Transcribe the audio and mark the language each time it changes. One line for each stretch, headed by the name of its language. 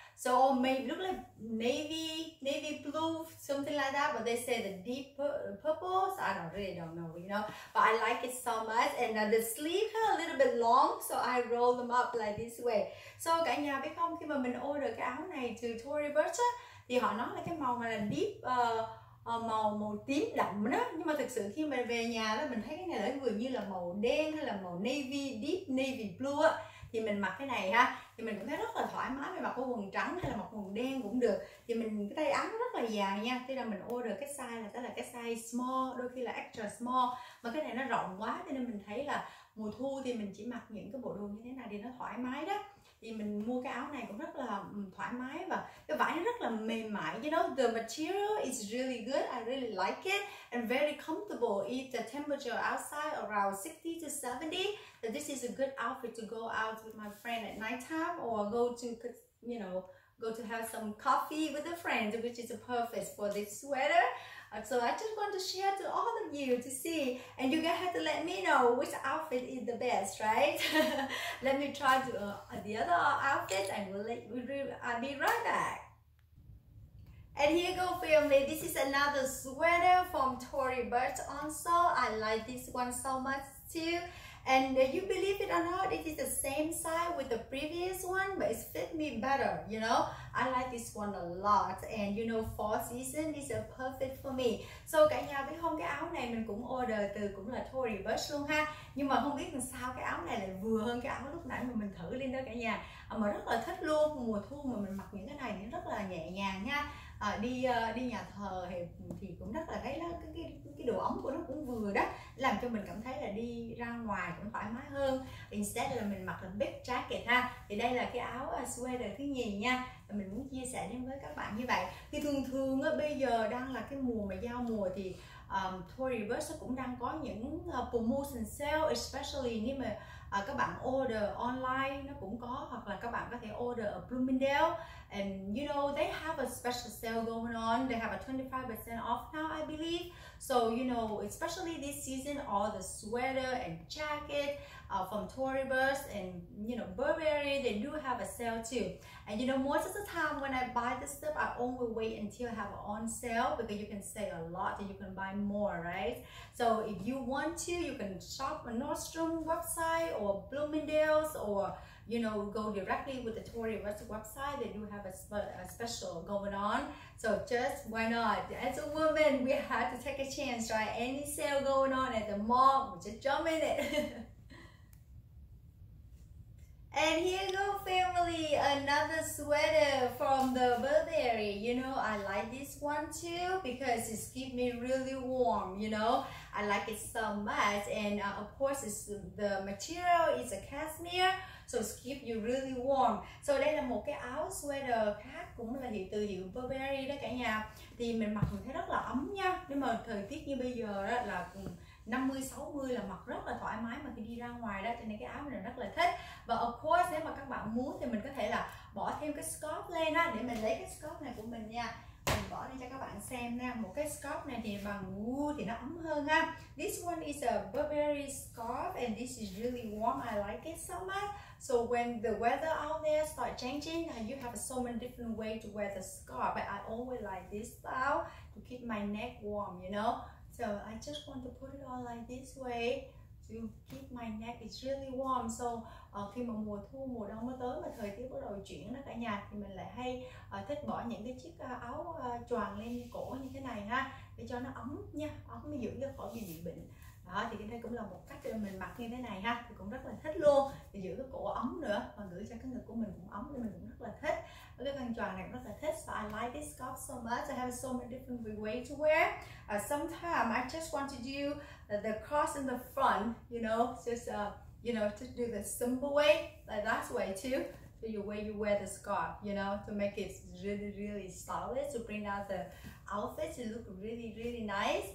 English: So maybe look like navy blue, something like that, but they say the deep purple, so I really don't know, you know? But I like it so much, and the sleeve are a little bit long, so I roll them up like this way.
Vietnamese: So cả nhà biết không, khi mà mình order cái áo này từ Tory Burch, thì họ nói là cái màu này là deep, màu tím đậm đó, nhưng mà thực sự khi mà về nhà đó mình thấy cái này là vừa như là màu đen hay là màu navy, deep navy blue á, thì mình mặc cái này ha, thì mình cũng thấy rất là thoải mái. Mình mặc có quần trắng hay là mặc quần đen cũng được, thì mình cái tay áo rất là dài nha, thế là mình order cái size là đó là cái size small, đôi khi là extra small, mà cái này nó rộng quá, cho nên mình thấy là mùa thu thì mình chỉ mặc những cái bộ đồ như thế này thì nó thoải mái đó. Thì mình mua cái áo này cũng rất là thoải mái và cái vải nó rất là mềm mại,
English: you know, the material is really good, I really like it, and very comfortable if the temperature outside around 60 to 70, that this is a good outfit to go out with my friend at night time or go to, you know, go to have some coffee with a friend, which is perfect for this sweater. So I just want to share to all of you to see, and you guys have to let me know which outfit is the best, right? Let me try to the other outfit and I'll be right back. And here you go, family. This is another sweater from Tory Burch also. I like this one so much too. And you believe it or not, it is the same size with the previous one, but it fit me better, you know? I like this one a lot, and you know, fall season is perfect for me.
Vietnamese: So cả nhà biết không, cái áo này mình cũng order từ cũng là Tory Burch luôn ha. Nhưng mà không biết làm sao cái áo này lại vừa hơn cái áo lúc nãy mà mình thử lên đó cả nhà. Mà rất là thích luôn, mùa thu mà mình mặc những cái này thì rất là nhẹ nhàng nha. Đi nhà thờ thì cũng rất là thấy là cái độ ấm của nó cũng vừa đó, làm cho cho mình cảm thấy là đi ra ngoài cũng thoải mái hơn, instead là mình mặc là big jacket ha. Thì đây là cái áo sweater thứ nhì nha, mình muốn chia sẻ đến với các bạn như vậy. Thì thường thường bây giờ đang là cái mùa mà giao mùa thì Tory Burch cũng đang có những promotion sale, especially nếu mà các bạn order online nó cũng có, hoặc là các bạn có thể order ở Bloomingdale,
English: and you know they have a special sale going on, they have a 25% off now I believe. So you know, especially this season, all the sweater and jacket from Tory Burch and you know Burberry, they do have a sale too. And you know, most of the time when I buy this stuff, I only wait until I have it on sale, because you can save a lot and you can buy more, right? So if you want to, you can shop on Nordstrom website or Bloomingdale's, or you know, go directly with the Tory Burch website. They do have a special going on. So just why not? As a woman, we have to take a chance, try any sale going on at the mall, we just jump in it. And here you go, family, another sweater from the Burberry. You know, I like this one too because it's keep me really warm, you know. I like it so much, and of course it's, the material is a cashmere, so it's keep you really warm.
Vietnamese: So đây là một cái áo sweater khác cũng là hiệu từ hiệu Burberry đó cả nhà. Thì mình mặc mình thấy rất là ấm nha. Nhưng mà thời tiết như bây giờ đó là 50-60 là mặc rất là thoải mái mà khi đi ra ngoài đó, cho nên cái áo mình rất là thích. Và of course nếu mà các bạn muốn thì mình có thể là bỏ thêm cái scarf lên á, để mình lấy cái scarf này của mình nha, mình bỏ lên cho các bạn xem nha. Một cái scarf này thì bằng wool thì nó ấm hơn ha.
English: This one is a Burberry scarf and this is really warm, I like it so much. So when the weather out there start changing, you have so many different way to wear the scarf, but I always like this style to keep my neck warm, you know. So I just want to put it on like this way to keep my neck is really warm.
Vietnamese: So khi mà mùa thu, mùa đông mới tới mà thời tiết bắt đầu chuyển đó cả nhà, thì mình lại hay thích bỏ những cái chiếc áo choàng lên cổ như thế này ha, để cho nó ấm nha, ấm mới giữ cho khỏi bị bệnh. Đó, thì cái đây cũng là một cách để mình mặc như thế này ha, thì cũng rất là thích luôn, thì giữ cái cổ ấm nữa và giữ cho cái ngực của mình cũng ấm nên mình cũng rất là thích. Và cái khăn choàng này cũng rất là thích.
English: So I like this scarf so much. I have so many different ways to wear. Sometimes I just want to do the cross in the front, you know, just you know, to do the simple way, like that way too. So you wear the scarf, you know, to make it really stylish, to bring out the outfit to look really nice.